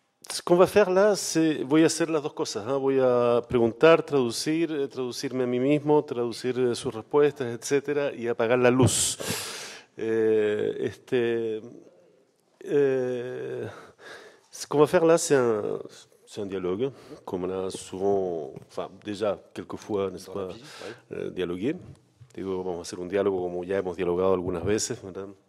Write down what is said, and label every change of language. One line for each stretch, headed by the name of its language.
French: Ce qu'on va faire là, c'est,
Spanish: voy a hacer las dos cosas, ¿eh? Voy a preguntar, traducir, traducirme a mí mismo, traducir sus respuestas, etcétera, y apagar la luz.
French: Ce qu'on va faire là, c'est un dialogue, comme on a souvent, enfin, déjà quelques fois, n'est-ce pas, dialogué.
Spanish: Digo, vamos a hacer un diálogo como ya hemos dialogado algunas veces, ¿verdad?